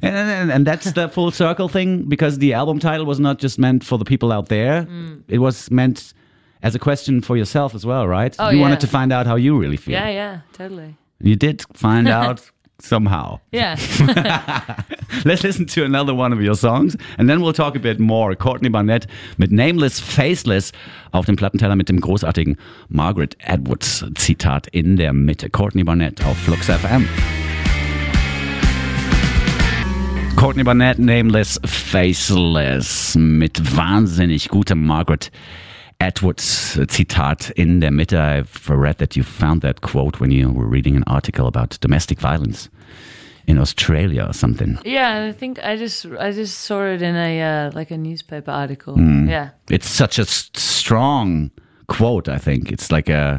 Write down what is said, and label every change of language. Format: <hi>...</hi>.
<en>And that's the full circle thing, because the album title was not just meant for the people out there. Mm. It was meant as a question for yourself as well, right? Oh, you wanted to find out how you really feel. Yeah, yeah, totally. You did find out somehow. Yeah. Let's listen to another one of your songs and then we'll talk a bit more.</en> <de>Courtney Barnett mit Nameless Faceless auf dem Plattenteller mit dem großartigen Margaret Atwoods Zitat in der Mitte. Courtney Barnett auf Flux FM. Courtney Barnett, Nameless Faceless, mit wahnsinnig guter Margaret Atwoods Zitat in der Mitte.</de> <en>I've read that you found that quote when you were reading an article about domestic violence in Australia or something. Yeah, I think I just saw it in a newspaper article. Mm. Yeah. It's such a strong quote, I think. It's like a...</en>